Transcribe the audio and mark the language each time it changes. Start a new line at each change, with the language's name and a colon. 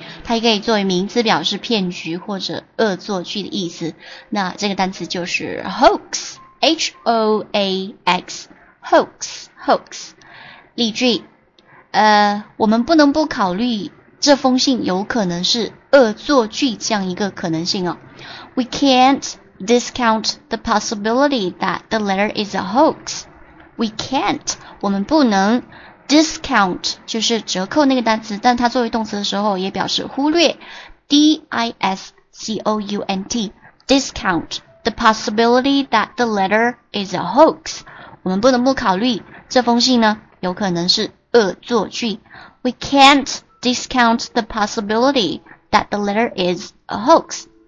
Chinese: 它也可以作为名词，表示骗局或者恶作剧的意思。那这个单词就是 hoax， H-O-A-X， hoax， hoax。例句，我们不能不考虑这封信有可能是恶作剧这样一个可能性哦。
English: We can't discount the possibility that the letter is a hoax. We can't.
Chinese: 我们不能 discount 就是折扣那个单词，但它作为动词的时候也表示忽略。
English: D-I-S-C-O-U-N-T. Discount the possibility that the letter is a hoax.
Chinese: 我们不能不考虑这封信呢有可能是恶作剧。
English: We can't discount the possibility that the letter is a hoax.